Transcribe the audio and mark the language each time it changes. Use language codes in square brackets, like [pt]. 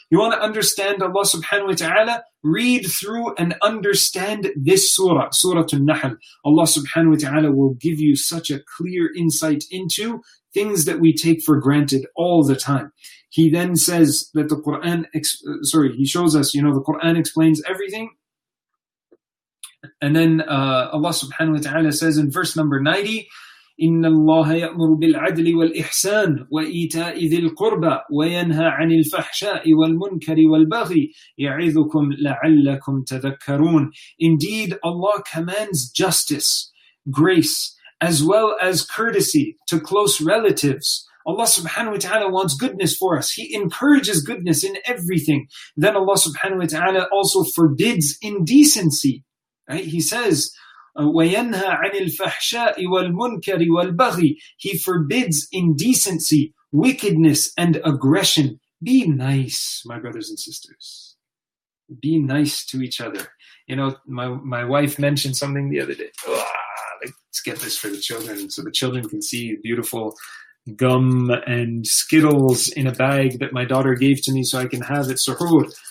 [en] You want to understand Allah subhanahu wa ta'ala? Read through and understand this surah, Surah An-Nahl. Allah subhanahu wa ta'ala will give you such a clear insight into things that we take for granted all the time. He then says that the Quran, he shows us, you know, the Quran explains everything. [ar] And then Allah subhanahu wa ta'ala says in verse number 90, إِنَّ اللَّهَ يَأْمُرُ بِالْعَدْلِ وَالْإِحْسَانِ وَإِيتَاءِ ذِي الْقُرْبَى وَيَنْهَى عَنِ الْفَحْشَاءِ وَالْمُنْكَرِ وَالْبَغْيِ يَعِذُكُمْ لَعَلَّكُمْ تَذَكَّرُونَ. [en] Indeed, Allah commands justice, grace, as well as courtesy to close relatives. Allah subhanahu wa ta'ala wants goodness for us. He encourages goodness in everything. Then Allah subhanahu wa ta'ala also forbids indecency. Right? [ar] He says, وَيَنْهَى عَنِ الْفَحْشَاءِ وَالْمُنْكَرِ وَالْبَغِي. [en] He forbids indecency, wickedness, and aggression. Be nice, my brothers and sisters. Be nice to each other. You know, my wife mentioned something the other day. Let's get this for the children so the children can see beautiful gum and Skittles in a bag that my daughter gave to me so I can have at Suhoor.